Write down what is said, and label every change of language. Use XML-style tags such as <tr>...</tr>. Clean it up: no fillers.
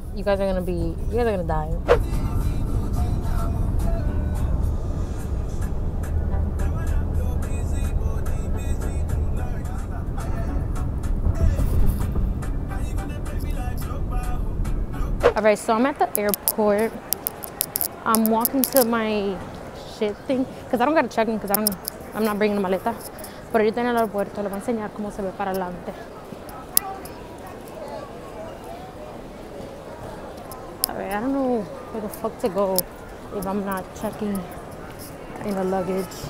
<en>You guys are gonna die. All right, so I'm at the airport. I'm walking to my shit thing, cause I don't gotta check in, cause I'm not bringing a maleta.</en> <es>Pero yo tengo el aeropuerto, le voy a enseñar cómo se ve para adelante.</es> <en>I don't know where the fuck to go if I'm not checking in the luggage.</en>